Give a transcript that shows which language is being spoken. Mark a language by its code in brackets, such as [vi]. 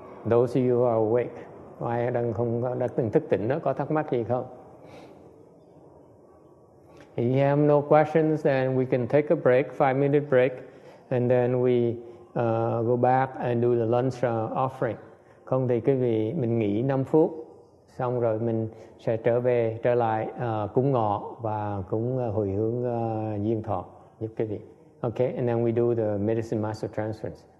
[en] Those of you who are awake, [vi] ai đang không đã từng thức tỉnh đó có thắc mắc gì không? [en] If you have no questions, then we can take a break, 5-minute break, and then we go back and do the lunch offering. [vi] Không thì quý vị mình nghỉ 5 phút. Xong rồi mình sẽ trở lại cúng ngọ và cúng hồi hướng duyên thọ giúp quý vị. [en] Okay, and then we do the medicine master transference.